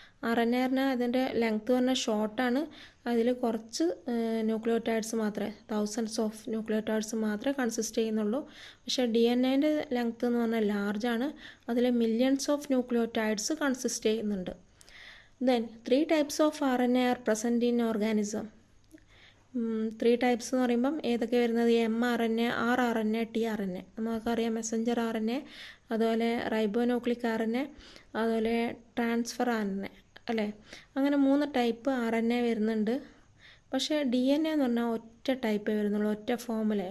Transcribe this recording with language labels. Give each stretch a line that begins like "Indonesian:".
Malayalam: R N A പറഞ്ഞാൽ അതിൻ്റെ length പറഞ്ഞാൽ ഷോർട്ടാണ്, അതിൽ കുറച്ച് ന്യൂക്ലിയോടൈഡ്സ് മാത്രമേ, തൗസൻഡ്സ് ഓഫ് ന്യൂക്ലിയോടൈഡ്സ് മാത്രമേ കൺസിസ്റ്റ് ചെയ്യുന്നുള്ളൂ. പക്ഷേ ഡി എൻ എൻ്റെ ലെങ്ത്ത് എന്ന് പറഞ്ഞാൽ ലാർജാണ്, അതിൽ മില്യൺസ് ഓഫ് ന്യൂക്ലിയോടൈഡ്സ് കൺസിസ്റ്റ് ചെയ്യുന്നുണ്ട്.
English: Then, three types of RNA are present in organism. Three types
Malayalam: എന്ന് പറയുമ്പം ഏതൊക്കെ വരുന്നത്? M R N A, R R N A, T R N A. നമുക്കറിയാം മെസ്സഞ്ചർ ആർ എൻ എ, അതുപോലെ ribonucleic R N A, അതുപോലെ transfer R N A, അല്ലേ? അങ്ങനെ മൂന്ന് ടൈപ്പ് ആർ എൻ എ വരുന്നുണ്ട്. പക്ഷേ ഡി എൻ എ എന്ന് പറഞ്ഞാൽ ഒറ്റ ടൈപ്പേ വരുന്നുള്ളൂ, ഒറ്റ ഫോമുല.